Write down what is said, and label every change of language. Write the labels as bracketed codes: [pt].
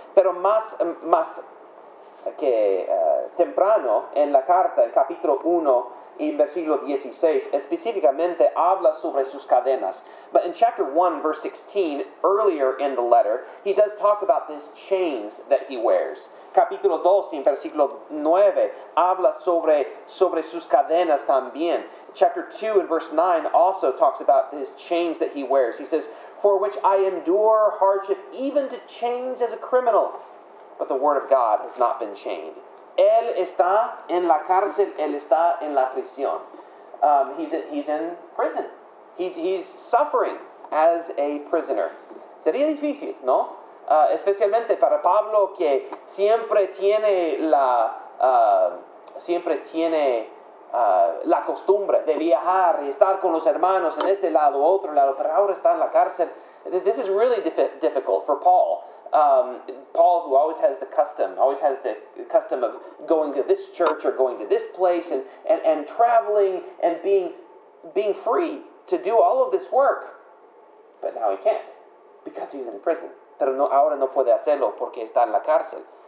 [es] Pero más que temprano en la carta, en capítulo 1 y versículo 16, específicamente habla sobre sus cadenas. [en] But in chapter 1, verse 16, earlier in the letter, he does talk about these chains that he wears. [es] Capítulo 2, en versículo 9, habla sobre sus cadenas también. [en] Chapter 2, in verse 9, also talks about his chains that he wears. He says, "For which I endure hardship even to chains as a criminal, but the word of God has not been chained." [es] Él está en la cárcel, él está en la prisión. [en] He's in prison. He's suffering as a prisoner. [es] Sería difícil, ¿no? Especialmente para Pablo, que siempre tiene la costumbre de viajar y estar con los hermanos en este lado, otro lado, pero ahora está en la cárcel. [en] This is really difficult for Paul. Paul, who always has the custom of going to this church or going to this place and traveling and being free to do all of this work, but now he can't because he's in prison. [es] Pero no, ahora no puede hacerlo porque está en la cárcel.